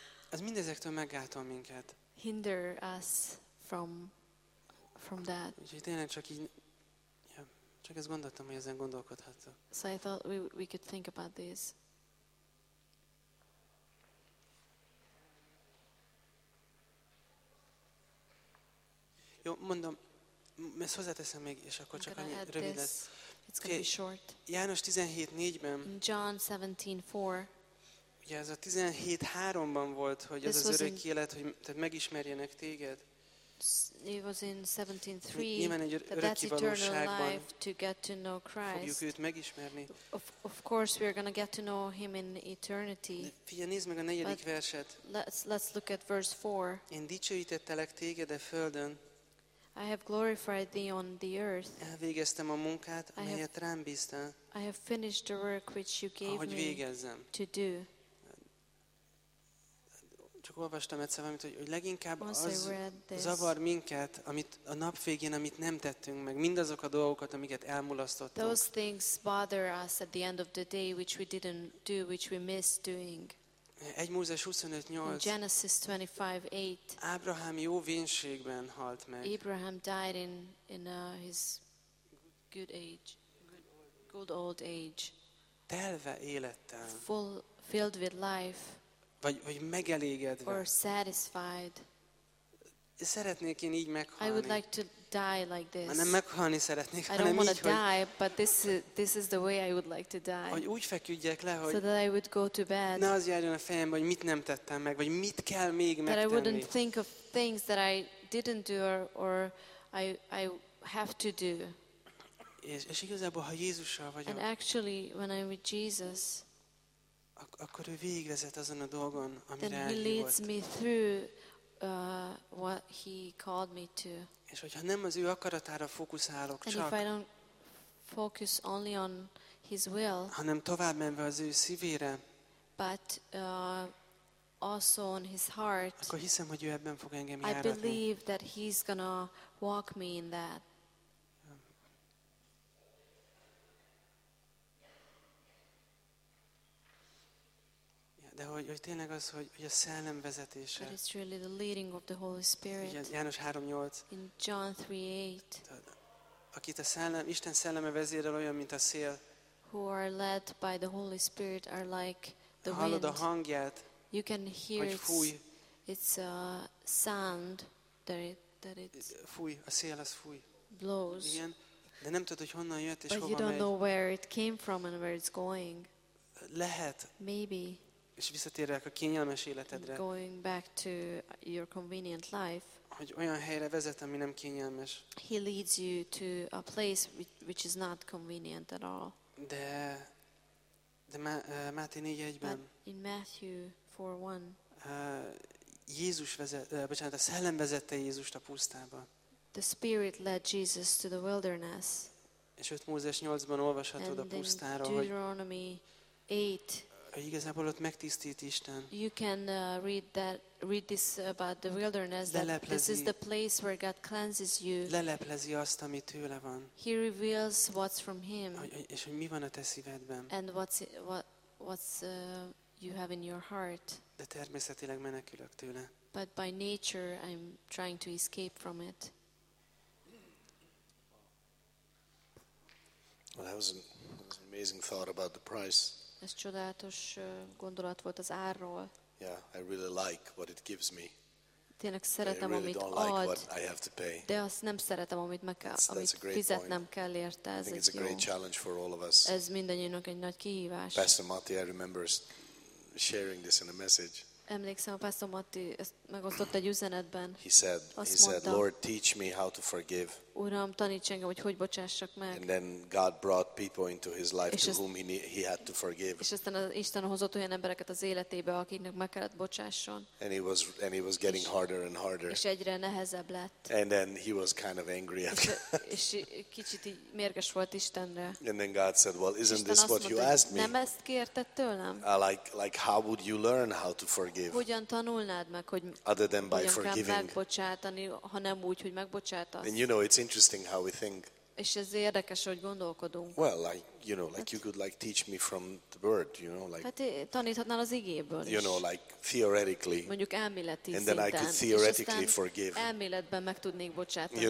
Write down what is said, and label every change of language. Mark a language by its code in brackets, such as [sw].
[hu] Az mindezektől meggátol minket. [en] Hinder us from that. [hu] Úgyhogy tényleg csak így, ja, csak ezt gondoltam, hogy ezen gondolkodhatok. [en] So I thought we could think about this. [hu] Jó, mondom, ezt hozzáteszem még, és akkor csak annyi rövid lesz. [en] It's going to be short. [hu] János 17:4-ben. [en] John 17:4. [hu] Ugye ez a 17:3-ban volt, hogy az örök élet, hogy tehát megismerjenek téged. [en] It was in 17:3. That's eternal life to get to know Christ. [hu] Fogjuk őt megismerni. [en] Of course we are going to get to know him in eternity. [hu] Figyelj, nézd meg a negyedik verset. [en] Let's look at verse 4. [hu] Én dicsőítettelek téged a földön. [en] I have glorified thee on the earth. [hu] Elvégeztem a munkát, amelyet rám bíztál. [en] I have finished the work which you gave [hu] ahogy [en] me [hu] végezzem. [en] To do. [hu] Csak olvastam egyszer valamit, hogy leginkább az zavar minket, amit a nap végén, amit nem tettünk meg, mindazok a dolgokat, amiket elmulasztottunk. [en] Those things bother us at the end of the day, which we didn't do, which we missed doing. [hu] 1 Mózes 25:8. [en] Genesis 25:8. [hu] Ábrahám jó vénségben halt meg. [en] Abraham died in his good age. Good old age. [hu] Telve élettel. [en] Filled with life. [hu] Vagy megelégedve. [en] Or satisfied. [hu] Szeretnék én így meghalni. [en] I would like to die like this. [hu] Nem meghalni szeretnék, hanem így, hogy... [en] I don't want to die, but this is the way I would like to die. [hu] Hogy úgy feküdjek le, hogy... [en] So that I would go to bed. [hu] Ne az járjon a fejembe, hogy mit nem tettem meg, vagy mit kell még megtenni. [en] That I wouldn't think of things that I didn't do or I have to do. [hu] És igazából, ha Jézussal vagyok... [en] And actually, when I'm with Jesus... [hu] Akkor ő végigvezet azon a dolgon, amire elhívott. [en] Then he leads me through... what he called me to. [hu] És hogyha nem az ő akaratára fókuszálok csak, [en] and if I don't focus only on his will, [hu] hanem tovább menve az ő szívére, [en] but also on his heart, [hu] akkor hiszem, hogy ő ebben fog engem járatni. [en] I believe that he's gonna walk me in that. [hu] De hogy tényleg az, hogy a szellem vezetése. [en] But it's really the leading of the Holy Spirit. [hu] János 3:8. [en] In John 3:8. [hu] Akit a szellem, Isten szelleme vezérel olyan, mint a szél. [en] Who are led by the Holy Spirit are like the wind. [hu] Hallod a hangját. [en] You can hear it. [hu] Fúj. [en] It's a sound that it. [hu] Fúj, a szél az fúj. [en] Blows. [hu] Igen. De nem tudod, hogy honnan jött és [en] but [hu] hova megy. [en] But you don't know where it came from and where it's going. [hu] Lehet. [en] Maybe. [hu] És visszatérek a kényelmes életedre. [en] Going back to your convenient life. [hu] Hogy olyan helyre vezet, ami nem kényelmes. [en] He leads you to a place which is not convenient at all. [hu] De Máté 4:1-ben. [en] But in Matthew 4:1. [hu] Jézus vezet, bocsánat, a szellem vezette Jézust a pusztába. [en] The Spirit led Jesus to the wilderness. [hu] És ott Mózes 8-ban olvashatod a pusztára, hogy Deuteronomy 8. Hogy igazából ott megtisztít Isten. [en] You can read this about the wilderness. This is the place where God cleanses you. [hu] Leleplezi azt, ami tőle van. [en] He reveals what's from him. [hu] És hogy mi van a te szívedben. [en] And what's you have in your heart. [hu] De természetileg menekülök tőle. [en] But by nature I'm trying to escape from it. Well, that was an amazing thought about the price. [hu] Ez csodálatos gondolat volt az árról. [en] Yeah, I really like what it gives me. [hu] Tényleg szeretem, [en] I really [hu] amit ad, [en] like what I have to pay. [hu] De azt nem szeretem, amit meg kell, amit fizetnem Kell érte. Ez [en] I think [hu] egy [en] it's [hu] jó. [en] A great challenge for all of us. [hu] Ez mindannyiunknak egy nagy kihívás. [en] Pastor Matti, I remember sharing this in a message. [hu] Emlékszem, a Pastor Matti ezt megosztott egy üzenetben. [en] He said, Lord, teach me how to forgive. [hu] Uram, taníts engem, hogy hogy bocsássak meg. [en] And then God brought people into his life to whom he had to forgive. [hu] És aztán Isten hozott olyan embereket az életébe, akiknek meg kellett bocsásson. [en] And he was getting harder and harder. [hu] És egyre nehezebb lett. [en] And then he was kind of angry at God. [hu] És kicsit mérges volt Istenre. [en] And then God said, well, isn't this what you asked me? [hu] Nem ezt kérted tőlem? [en] Like how would you learn how to forgive? [hu] Hogyan tanulnád meg, hogy [en] other than by forgiving? [hu] Megbocsátani, ha nem úgy, hogy megbocsátasz. [en] And you know, it's interesting how we think. [hu] És ez érdekes, hogy gondolkodunk. [en] Well, like you could like teach me from the word, you know, like. [hu] Hát taníthatnál az igéből is. [en] You know, like theoretically. [hu] Mondjuk elméleti szinten. [en] And then I could theoretically forgive. [hu] Elméletben meg tudnék bocsátani.